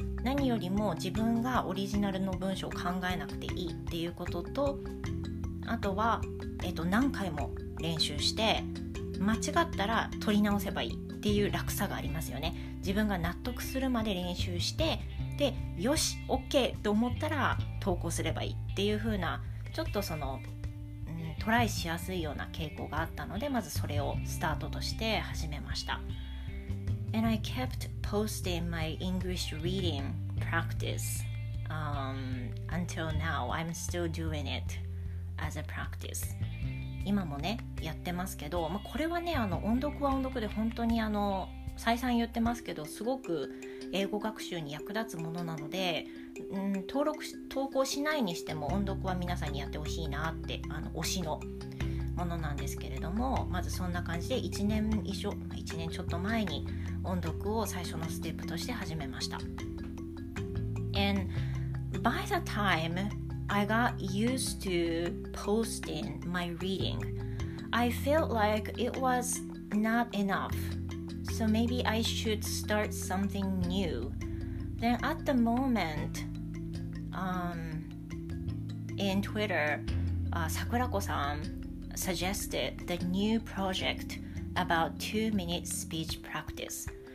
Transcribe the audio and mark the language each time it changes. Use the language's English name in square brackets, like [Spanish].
[Japanese] 何よりも自分がオリジナルの文章を考えなくていいっていうことと、あとは、何回も練習して間違ったら取り直せばいいっていう楽さがありますよね。自分が納得するまで練習して、でよし OK と思ったら投稿すればいいっていう風な、ちょっとその、トライしやすいような傾向があったので、まずそれをスタートとして始めました。 [English] And I kept posting my English reading practice、until now I'm still doing it as a practice。 [Japanese] 今もねやってますけど、まあ、これはね、あの音読は音読で本当に、あの再三言ってますけど、すごく英語学習に役立つものなので、投稿しないにしても音読は皆さんにやってほしいなって、あの推しのものなんですけれども、まずそんな感じで1年ちょっと前に音読を最初のステップとして始めました。 [English] And by the timeI got used to posting my reading. I felt like it was not enough. So maybe I should start something new. Then at the moment, in Twitter, Sakurako-san suggested the new project about 2-minute speech practice.